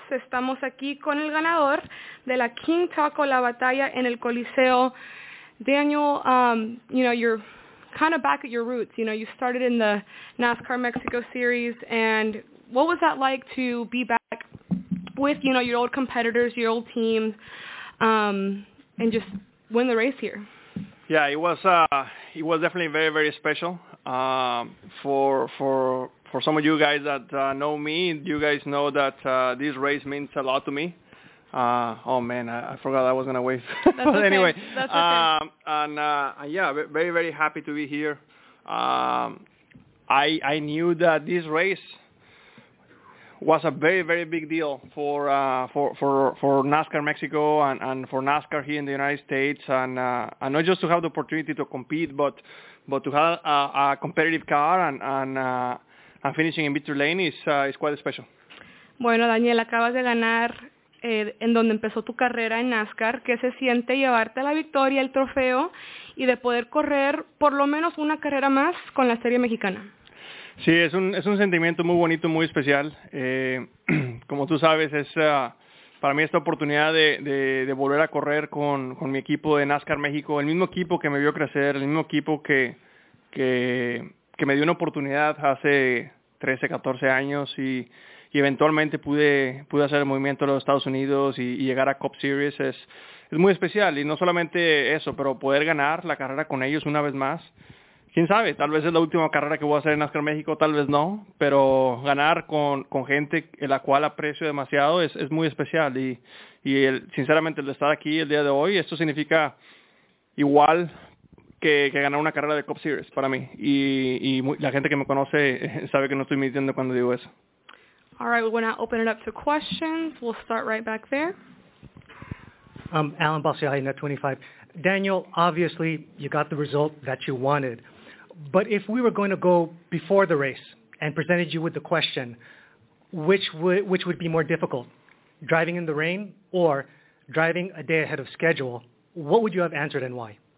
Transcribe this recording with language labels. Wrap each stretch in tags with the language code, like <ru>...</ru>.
<es>Estamos aquí con el ganador de la King Taco, La Batalla en el Coliseo.</es> <en>Daniel, you know, you're kind of back at your roots. You know, you started in the NASCAR Mexico series, and what was that like to be back with, you know, your old competitors, your old team, and just win the race here? Yeah, it was definitely very, very special. For some of you guys that know me, you guys know that this race means a lot to me. I forgot I was gonna wave. That's but okay. Anyway, That's okay. Very, very happy to be here. I knew that this race was a very, very big deal for NASCAR Mexico and for NASCAR here in the United States, and not just to have the opportunity to compete, but to have a competitive car and finishing in victory lane is quite special.</en> <es>Bueno, Daniel, acabas de ganar en donde empezó tu carrera en NASCAR. ¿Qué se siente llevarte la victoria, el trofeo, y de poder correr por lo menos una carrera más con la serie mexicana? Sí, es un sentimiento muy bonito, muy especial. Como tú sabes, es para mí esta oportunidad de volver a correr con mi equipo de NASCAR México, el mismo equipo que me vio crecer, el mismo equipo que me dio una oportunidad hace 13, 14 años y eventualmente pude hacer el movimiento a los Estados Unidos y llegar a Cup Series. Es muy especial, y no solamente eso, pero poder ganar la carrera con ellos una vez más. ¿Quién sabe? Tal vez es la última carrera que voy a hacer en NASCAR México, tal vez no, pero ganar con gente en la cual aprecio demasiado es muy especial, y sinceramente el estar aquí el día de hoy, esto significa igual que ganar una carrera de Cup Series para mí, y la gente que me conoce sabe que no estoy mintiendo cuando digo eso.</es> <en>All right, we're going to open it up to questions. We'll start right back there. Alan Balciaghi, Net25. Daniel, obviously you got the result that you wanted, but if we were going to go before the race and presented you with the question, which would be more difficult, driving in the rain or driving a day ahead of schedule, what would you have answered and why?</en>